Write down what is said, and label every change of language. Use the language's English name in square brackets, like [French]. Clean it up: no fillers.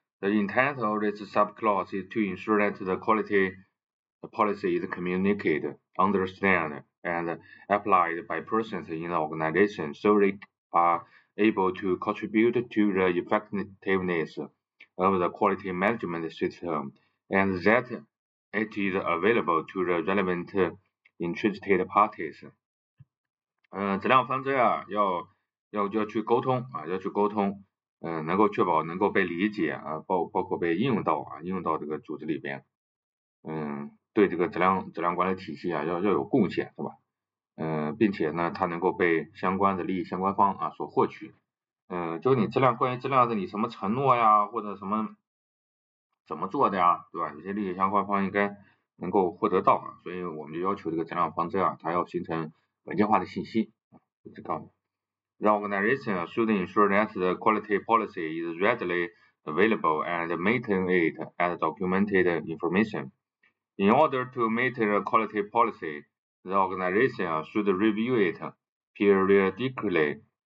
[English] The intent of this subclause is to ensure that the quality policy is communicated, understood, and applied by persons in the organization so they are able to contribute to the effectiveness. Of the quality management system, and that it is available to the relevant interested parties. [Chinese] 质量方针啊，要去沟通啊，要去沟通，能够确保能够被理解啊，包括被应用到啊，应用到这个组织里边，对这个质量管理体系啊，要有贡献，是吧？并且呢，它能够被相关的利益相关方啊所获取。就你质量关于质量的你什么承诺呀，或者什么怎么做的呀，对吧？有些利益相关方应该能够获得到啊，所以我们就要求这个质量方针啊，它要形成文件化的信息，就这个。 [English] 让 organization should ensure that the quality policy is readily available and maintain it as documented information. In order to maintain a quality policy, the organization should review it periodically.